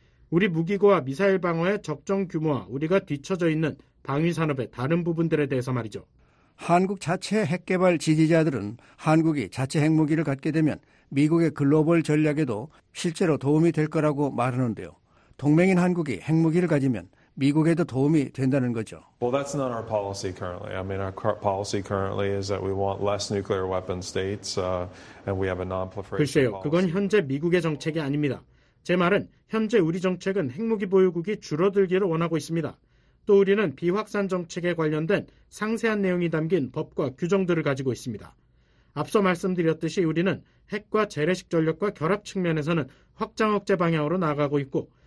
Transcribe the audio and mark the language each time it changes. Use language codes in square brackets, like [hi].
[ko] 우리 무기고와 미사일 방어의 적정 규모와 우리가 뒤처져 있는 방위산업의 다른 부분들에 대해서 말이죠. 한국 자체 핵개발 지지자들은 한국이 자체 핵무기를 갖게 되면 미국의 글로벌 전략에도 실제로 도움이 될 거라고 말하는데요. 동맹인 한국이 핵무기를 가지면 미국에도 도움이 된다는 거죠. [en] Well, that's not our policy currently. I mean, our policy currently is that we want less nuclear weapon states, and we have a non-proliferation. [ko] 글쎄요, 그건 현재 미국의 정책이 아닙니다. 제 말은 현재 우리 정책은 핵무기 보유국이 줄어들기를 원하고 있습니다. 또 우리는 비확산 정책에 관련된 상세한 내용이 담긴 법과 규정들을 가지고 있습니다. 앞서 말씀드렸듯이 우리는 핵과 재래식 전력과 결합 측면에서는 확장 억제 방향으로 나아가고 있고.